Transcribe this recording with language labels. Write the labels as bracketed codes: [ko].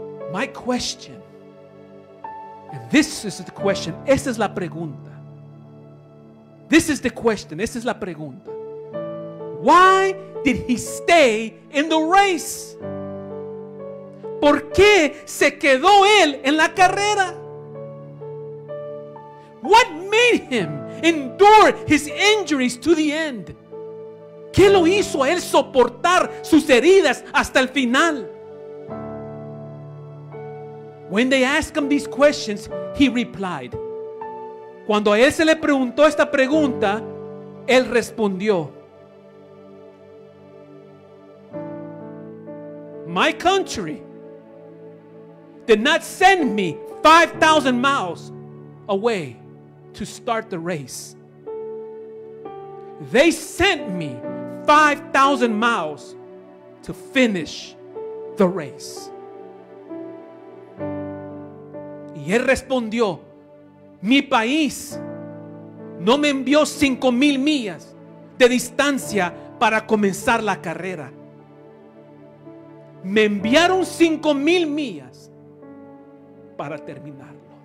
[en] My question, and this is the question, [es] esta es la pregunta. [en] This is the question, [es] esta es la pregunta. [en] Why did he stay in the race? [es] ¿Por qué se quedó él en la carrera? [en] What made him endure his injuries to the end? [es] ¿Qué lo hizo a él soportar sus heridas hasta el final? [en] When they asked him these questions, he replied. [es] Cuando a él se le preguntó esta pregunta, él respondió. [en] My country did not send me 5,000 miles away to start the race. They sent me 5,000 miles to finish the race. [es] Y él respondió, mi país no me envió 5,000 millas de distancia para comenzar la carrera. Me enviaron 5,000 millas para terminarlo.